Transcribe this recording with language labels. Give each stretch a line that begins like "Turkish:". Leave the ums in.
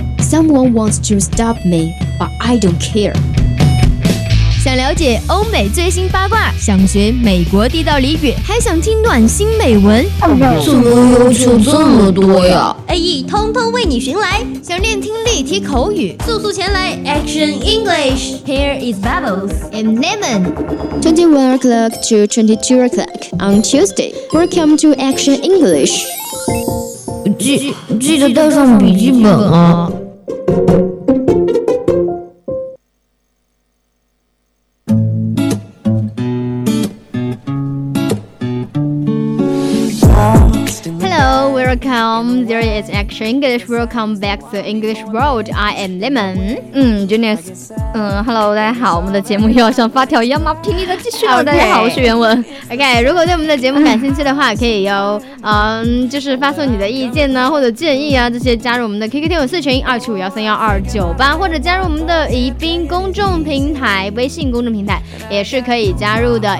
English: Someone wants to stop me, but I don't care.
Chinese: 想了解欧美最新八卦，想学美国地道俚语，还想听暖心美文，怎么要求这么多呀？ A E 通通为你寻来。想练听力、提口语，速速前来 Action English。
English: Here is Bubbles and Lemon。 21 o'clock to 22 o'clock on Tuesday. Welcome to Action English.
Chinese: 记记得带上笔记本啊。
English: Hello, welcome. There is Action English. Welcome back to English World. I am Lemon。
Chinese: 嗯 j u n i s 嗯，Hello，大家好，我们的节目又要像发条一样吗？拼命的继续了。大家好，我是袁文。OK，如果对我们的节目感兴趣的话，可以有嗯，就是发送你的意见呢、或者建议啊，这些加入我们的 QQ 听友四群二七五幺三幺二九八，或者加入我们的宜宾公众平台微信公众平台，也是可以加入的。